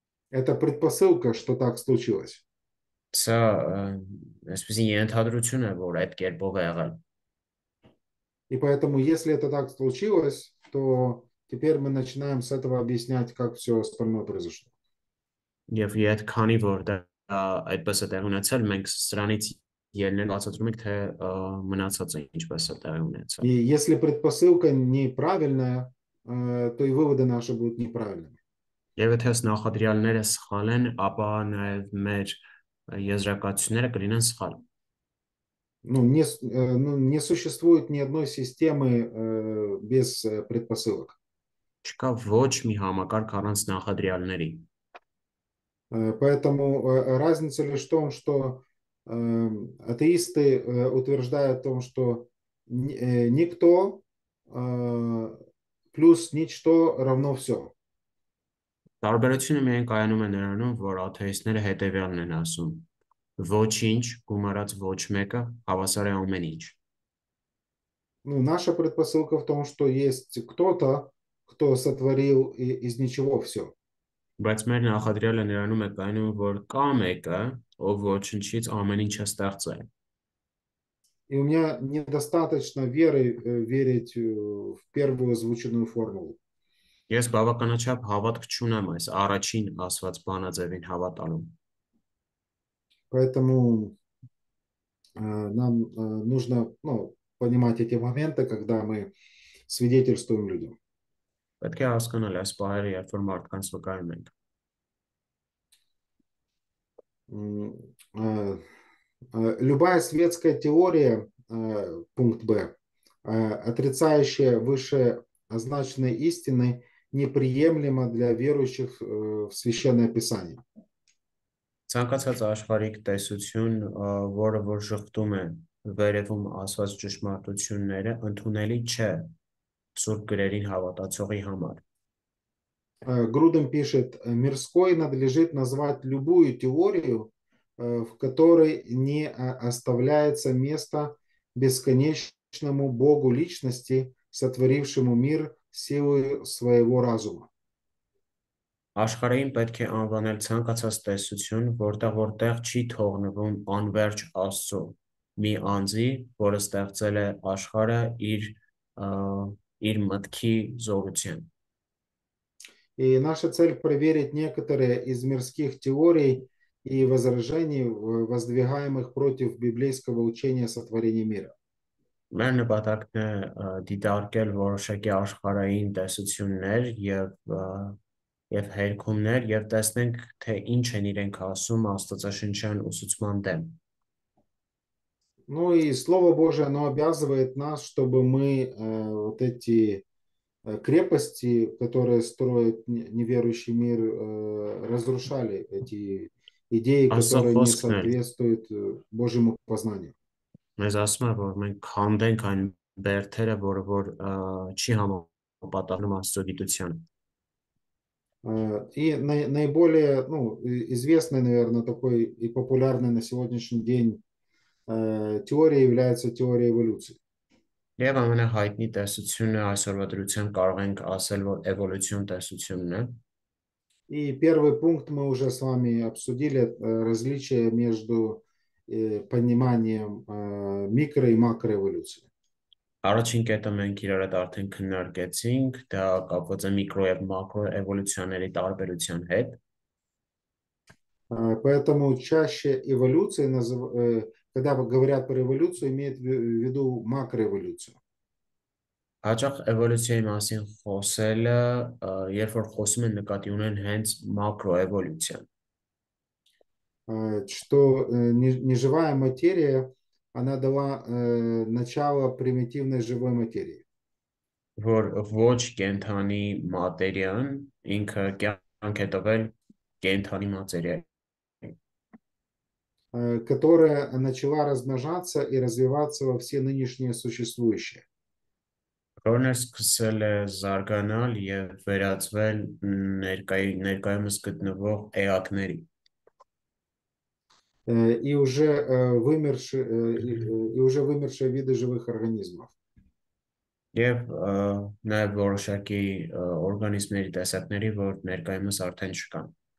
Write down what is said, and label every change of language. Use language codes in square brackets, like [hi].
[ru] Это предпосылка, что так случилось. [hy] Սա այսպեսին ենթադրություն է, որ այդ կերպով է եղել։ [ru] И поэтому, если это так случилось, то теперь мы начинаем с этого объяснять, как все остальное произошло. [hy] Եվ այդ քանի որ դա այդպես է տեղ ունեցել, մենք սրանից ելնել ասացում ենք, թե մնացածը ինչպես է տեղ ունեցել։ [ru] И если предпосылка неправильная, то и выводы наши будут неправильными. [hy] Եվ եթե այս նախադրյալները սխալ են, ապա նաև մեր եզրակացությունները կլինեն սխալ։ [ru] Не существует ни одной системы без предпосылок. [hy] Չկա ոչ մի համակարգ առանց նախադրյալների։ [ru] Поэтому разница лишь в том, что атеисты утверждают о том, что никто плюс ничто равно все. [hy] Տարբերությունը միայն կայանում է նրանում, որ աթեիստները հետևյալն են ասում. Ոչինչ գումարած ոչ մեկը հավասար է ամեն ինչ։ [ru] Ну, наша предпосылка в том, что есть кто-то, кто сотворил из ничего все. [hy] Բայց մեր նախադրյալը ներառում է կայանում, որ կա մեկը, ով ոչինչից ամեն ինչը ստեղծել է։ [ru] И у меня недостаточно веры верить в первую озвученную формулу. [hy] Ես բավականաչափ հավատք չունեմ այս առաջին ասված բանաձևին հավատալու։ [ru] Поэтому нам нужно, ну, понимать эти моменты, когда мы свидетельствуем людям. [hy] Պետք է հասկանալ այս բաները, երբ որ մարդկանց վկայում ենք։ [ru] Любая светская теория, пункт Б, отрицающая выше означенные истины, неприемлема для верующих в Священное Писание. [hy] Ցանկացած աշխարհիկ տեսություն, որը որ շղթում է վերևում ասված ճշմարտությունները, ընդունելի չէ Սուրբ գրերին հավատացողի համար։ [ru] Груден пишет, мирской надлежит назвать любую теорию, в которой не оставляется места бесконечному Богу личности, сотворившему мир силой своего разума. [hy] Աշխարհին պետք է անվանել ցանկացած տեսություն, որտեղ չի թողնվում անվերջ Աստծո մի անձի, որը ստեղծել է աշխարը իր իր մտքի զողության։ [ru] И наша цель проверить некоторые из мирских теорий и возражений, воздвигаемых против библейского учения о сотворении мира. [hy] Մեր նպատակն է դիտարկել որոշակի աշխարհային տեսություններ եւ հերքումներ եւ տեսնենք թե ինչ են իրենք ասում աստվածաշնչյան ուսուցման դեմ։ [ru] Ну и Слово Божие, оно обязывает нас, чтобы мы вот эти крепости, которые строит неверующий мир, разрушали эти идеи, которые не соответствуют Божьему познанию. [hy] Մեզ ասում է, որ մենք քանդենք այն բերդերը, որը որ չի համապատասխանում աստուգիտությանը։ [ru] И наиболее, ну, известный, наверное, такой и популярный на сегодняшний день теория является теория эволюции. [hy] Եվ ամենահայտնի տեսությունը այսօրվա դրությամբ կարող ենք ասել, որ էվոլյուցիոն տեսությունն է։ [ru] И первый пункт мы уже с вами обсудили, различие между пониманием микро- и макроэволюции. [hy] Առաջին կետը մենք իրար հետ արդեն քննարկեցինք, դա կապված է միկրո և մակրոէվոլյուցիաների տարբերության հետ։ [ru] Поэтому чаще эволюция, когда говорят про эволюцию, имеет в виду макроэволюцию. [hy] Հաճախ էվոլյուցիայի մասին խոսելը, երբ որ խոսում են, նկատի ունեն հենց մակրոէվոլյուցիան։ [ru] Что неживая материя, она дала начало примитивной живой материи. [hy] Որ ոչ կենդանի մատերիան ինքը կյանք է տվել կենդանի մատերիայի, [ru] которая начала размножаться и развиваться во все нынешние существующие. [hy] Որն է սկսել է զարգանալ և վերածվել ներկայումս գտնվող էակների։ [ru] И уже вымершие виды живых организмов. [hy] Եվ նաև որոշակի օրգանիզմների տեսակների, որ ներկայումս արդեն չկան։